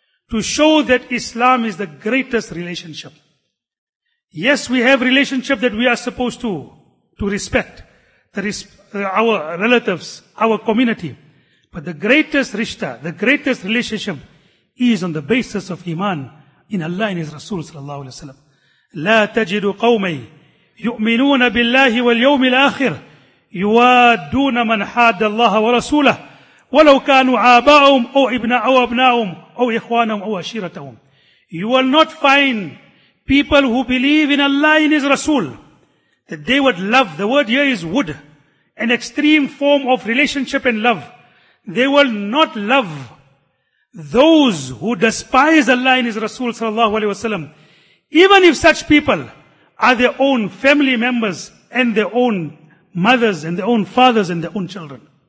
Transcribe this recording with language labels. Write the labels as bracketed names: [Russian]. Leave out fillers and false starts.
[English] To show that Islam is the greatest relationship. Yes, we have relationship that we are supposed to respect our relatives, our community. But the greatest rishta, the greatest relationship is on the basis of iman in Allah and His Rasul sallallahu alayhi wa sallam. [Arabic] لَا تَجِدُ قَوْمَي يُؤْمِنُونَ بِاللَّهِ وَالْيَوْمِ الْآخِرِ يوادون من حاد الله ورسوله ولو كانوا آباءهم أو أبناءهم أو إخوانهم أو عشيرتهم. [English] You will not find people who believe in Allah and His Rasul that they would love. The word here is would, an extreme form of relationship and love. They will not love those who despise Allah and His Rasul sallallahu alaihi wasallam, even if such people are their own family members and their own mothers and their own fathers and their own children.